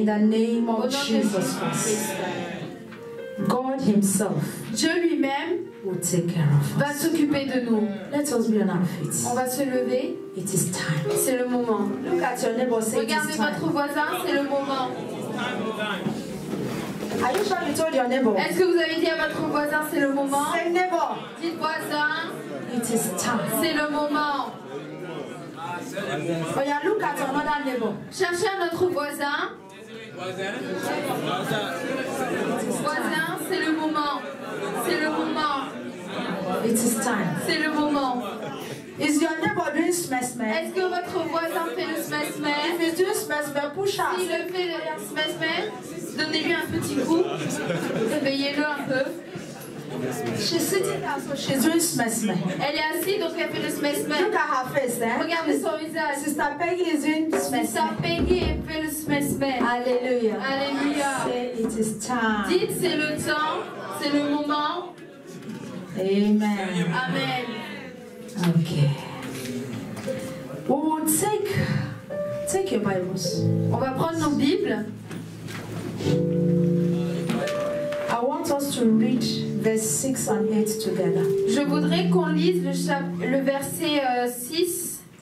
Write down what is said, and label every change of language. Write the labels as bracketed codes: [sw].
[en] In the name of Jesus Christ. God himself. [fr] Dieu lui-même [en] will take care of us. [fr] Va s'occuper de nous. [en] Let us be on our feet. [fr] On va se lever. [en] It is time. [fr] C'est le moment. [en] Look at your neighbor, say, [fr] regardez votre voisin, c'est le moment. [en] Are you sure you told your neighbor? [fr] Est-ce que vous avez dit à votre voisin, c'est le moment? [en] Say neighbor. [fr] Dites voisin. [en] It is time. [fr] C'est le moment. [en] Oh, yeah, look at another neighbor. [fr] Cherchez un autre voisin. Voisin, c'est le moment. C'est le moment. [en] It is time. [fr] C'est le moment. [en] Is your neighbor doing smesmer? [fr] Est-ce que votre voisin fait le smesmer? [en] If he's doing smesmer, push up. [fr] S'il le fait le smesmer, donnez-lui un petit coup. Réveillez-le un peu. [en] She's sitting there, so she's doing smesmer. [fr] Elle est assise, donc elle fait le smesmer. [en] Look at her face, eh? [fr] Regardez son visage. [en] Sister Peggy is doing smesmer. [fr] Sister Peggy fait le smesmer. Alléluia. Alléluia. [en] Say it is time. [fr] Dites, c'est le temps, c'est le moment. Amen. Amen. [en] Okay. We will take your Bibles. [fr] On va prendre nos Bibles. [en] I want us to read verse 6 and 8 together. [fr] Je voudrais qu'on lise le verset 6